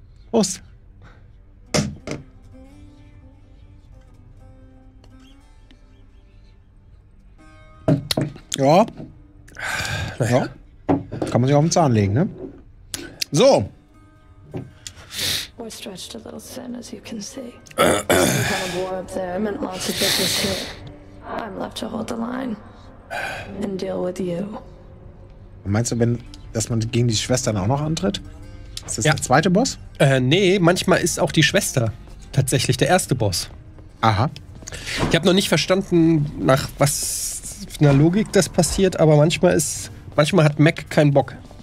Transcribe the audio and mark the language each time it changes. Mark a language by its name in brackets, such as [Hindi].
[German] Prost. Ja. Na ja. Kann man sich auf den Zahn legen, ne? So. [English] We stretched a little thin, as you can see. Kind of war up there, meant lots of business here. I'm left to hold the line and deal with you. [German] Meinst du, wenn, dass man gegen die Schwestern auch noch antritt? Ist das ja der zweite Boss? Nee, manchmal ist auch die Schwester tatsächlich der erste Boss. Aha. Ich habe noch nicht verstanden, nach was für einer Logik das passiert, aber manchmal hat Mac keinen Bock.